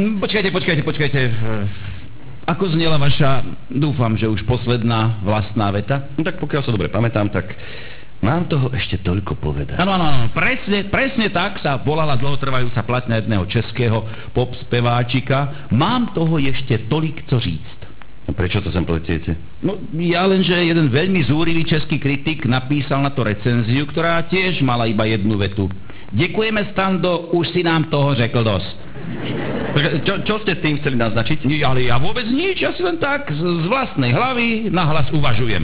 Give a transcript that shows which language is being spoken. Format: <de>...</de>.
<sk>Počkajte. Ako zniela vaša, dúfam, že už posledná vlastná veta? No tak pokiaľ sa dobre pamätám, tak mám toho ešte toľko povedať. Áno, presne tak sa volala dlhotrvajúca platňa jedného českého pop speváčika.</sk> <cs>Mám toho ešte tolik co říct.</cs> <sk>No prečo to sem pletiete? No ja len, že jeden veľmi zúrivý český kritik napísal na to recenziu, ktorá tiež mala iba jednu vetu. Ďakujeme, Stando, už si nám toho řekl dosť. Čo ste tým chceli naznačiť? Ale ja vôbec nič, ja si len tak z vlastnej hlavy nahlas uvažujem.</sk>